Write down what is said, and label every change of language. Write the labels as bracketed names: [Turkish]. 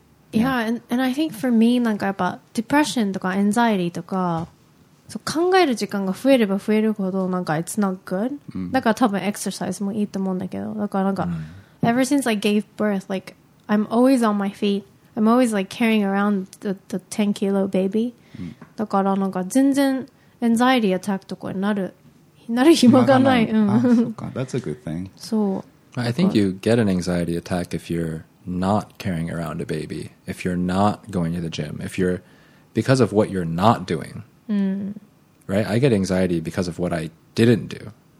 [English] Yeah. And I think for me, [Japanese] なんかやっぱ depression とか anxiety とか、そう考える時間が増えれば増えるほどなんか [English] it's not good.、 [Japanese] Mm. だから多分 exercise もいいと思うんだけど、だからなんか、mm. [English] ever since I gave birth, like I'm always on my feet. I'm always like carrying around the 10 kilo baby.、 Mm. [Japanese] だからなんか全然エンザイティアタックとかになる暇がない。うん。あ、そうか。 [English] That's a good thing. [Japanese] そう。 [English] I think you get an anxiety attack if you're not carrying around a baby, if you're not going to the gym, if you're because of what you're not doing. Mm. Right? I get anxiety because of what I didn't do.